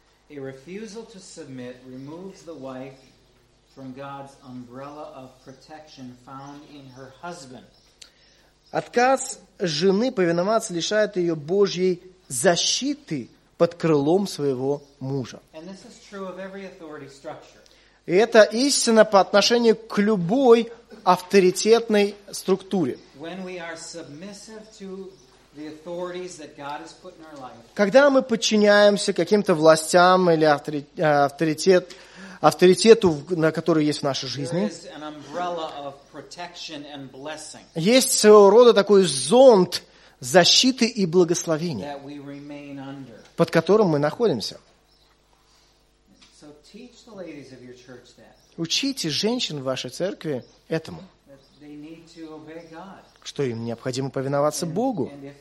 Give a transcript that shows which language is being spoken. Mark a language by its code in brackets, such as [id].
[en] A refusal to submit removes the wife from God's umbrella of protection found in her husband. [ru] Отказ жены повиноваться лишает ее Божьей защиты под крылом своего мужа. [en] And this is true of every authority structure. [ru] И это истина по отношению к любой авторитетной структуре. [en] When we are submissive to the authorities that God has put in our life. [ru] Когда мы подчиняемся каким-то властям или авторитету, на который есть в нашей жизни, [en] there is an umbrella of protection and blessing. [ru] Есть своего рода такой зонт защиты и благословения, [en] that we remain under. [ru] Под которым мы находимся. [en] So teach the ladies of your church that. [ru] Учите женщин в вашей церкви этому. [en] They need to obey God. [ru] Что им необходимо повиноваться Богу.